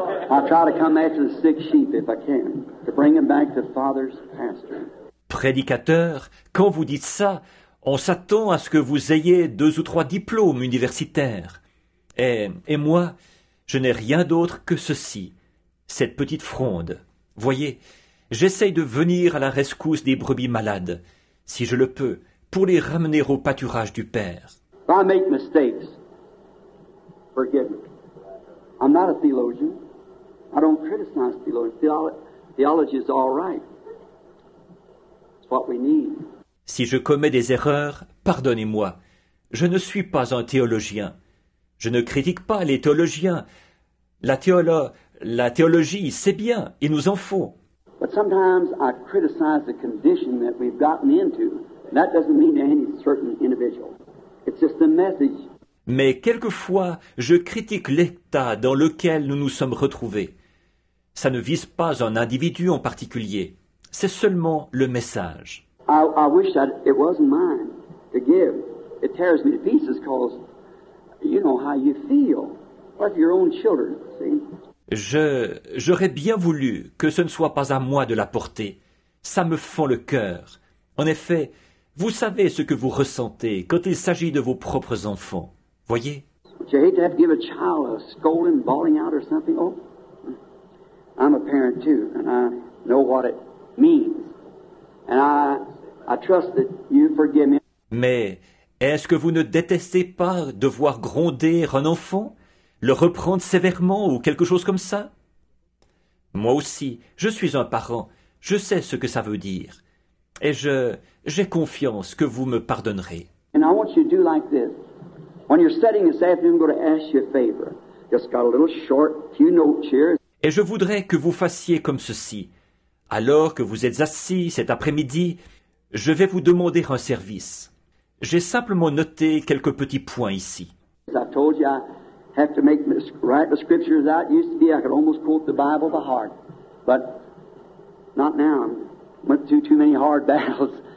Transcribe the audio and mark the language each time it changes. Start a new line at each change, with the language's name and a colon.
English: I try to come after the sick sheep if I can, to bring them back to the Father's pasture.
French: Prédicateur, quand vous dites ça, on s'attend à ce que vous ayez deux ou trois diplômes universitaires. Et moi, je n'ai rien d'autre que ceci, cette petite fronde. Voyez, j'essaye de venir à la rescousse des brebis malades, si je le peux, pour les ramener au pâturage du Père.
English: If I make mistakes, forgive me. I'm not a theologian. I don't criticize theologians. Theology is all right. It's what we need.
French: Si je commets des erreurs, pardonnez-moi. Je ne suis pas un théologien. Je ne critique pas les théologiens. La théologie, c'est bien. Il nous en faut.
English: But sometimes I criticize the condition that we've gotten into. That doesn't mean to any certain individual. It's just a message.
French: Mais quelquefois, je critique l'état dans lequel nous nous sommes retrouvés. Ça ne vise pas un individu en particulier. C'est seulement le message.
English: I wish that it wasn't mine to give. It tears me to pieces because you know how you feel. Like your own children, see?
French: J'aurais bien voulu que ce ne soit pas à moi de la porter. Ça me fend le cœur. En effet, vous savez ce que vous ressentez quand il s'agit de vos propres enfants. Voyez.
English: You hate to have to give a child a scolding, bawling out or something. Oh, I'm a parent too, and I know what it means. And I trust that you forgive me.
French: Mais est-ce que vous ne détestez pas de voir gronder un enfant, le reprendre sévèrement ou quelque chose comme ça? Moi aussi, je suis un parent, je sais ce que ça veut dire. Et j'ai confiance que vous me pardonnerez.
English: And I want you to do like this. When you're studying this afternoon, I'm going to ask you a favor. Just got a little short few notes here.
French: Et je voudrais que vous fassiez comme ceci. Alors que vous êtes assis cet après-midi, je vais vous demander un service. J'ai simplement noté quelques petits points ici.
English: As I told you, I have to make write the scriptures out. It used to be I could almost quote the Bible by heart, but not now. I went through too many hard battles.